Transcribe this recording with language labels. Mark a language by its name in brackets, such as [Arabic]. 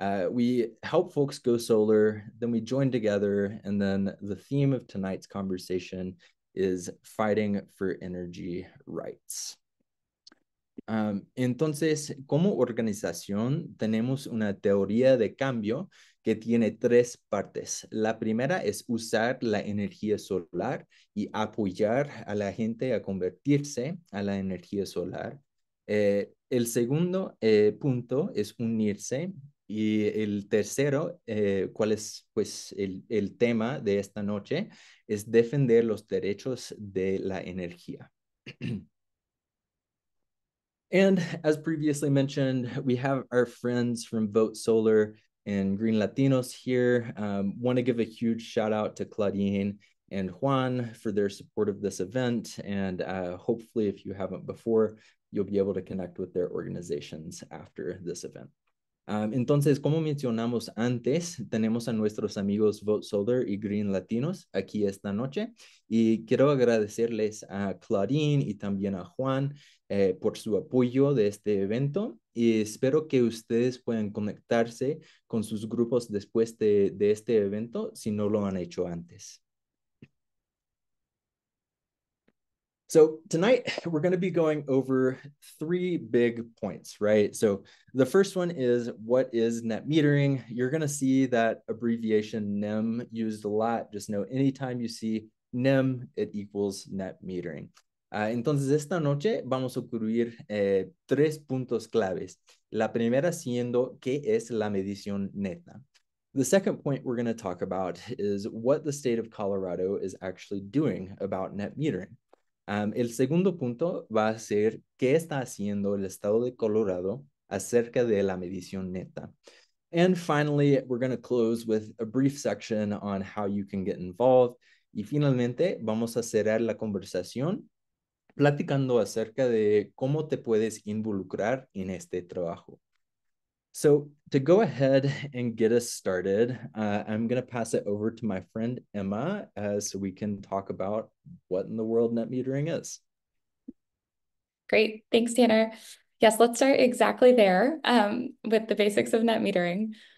[English] We help folks go solar, then we join together, and then the theme of tonight's conversation is fighting for energy rights. [Spanish] Entonces, como organización, tenemos una teoría de cambio que tiene tres partes. La primera es usar la energía solar y apoyar a la gente a convertirse a la energía solar. El segundo punto es unirse. Y el tercero, cuál es pues el tema de esta noche, es defender los derechos de la energía. [English] And as previously mentioned, we have our friends from Vote Solar and Green Latinos here. Want to give a huge shout out to Claudine and Juan for their support of this event. And hopefully, if you haven't before, you'll be able to connect with their organizations after this event. [Spanish] Entonces, como mencionamos antes, tenemos a nuestros amigos Vote Solar y Green Latinos aquí esta noche. Y quiero agradecerles a Claudine y también a Juan por su apoyo de este evento. Y espero que ustedes puedan conectarse con sus grupos después de este evento si no lo han hecho antes. [English] So tonight, we're going to be going over three big points, right? So the first one is, what is net metering? You're going to see that abbreviation NEM used a lot. Just know anytime you see NEM, it equals net metering. [Spanish] Entonces, esta noche vamos a cubrir tres puntos claves. La primera siendo, ¿qué es la medición neta? [English] The second point we're going to talk about is what the state of Colorado is actually doing about net metering. [Spanish] El segundo punto va a ser qué está haciendo el estado de Colorado acerca de la medición neta. [English] And finally, we're going to close with a brief section on how you can get involved. [Spanish] Y finalmente, vamos a cerrar la conversación platicando acerca de cómo te puedes involucrar en este trabajo. [English] So to go ahead and get us started, I'm going to pass it over to my friend Emma so we can talk about what in the world net metering is. Great. Thanks, Tanner. Yes, let's start exactly there with the basics of net metering.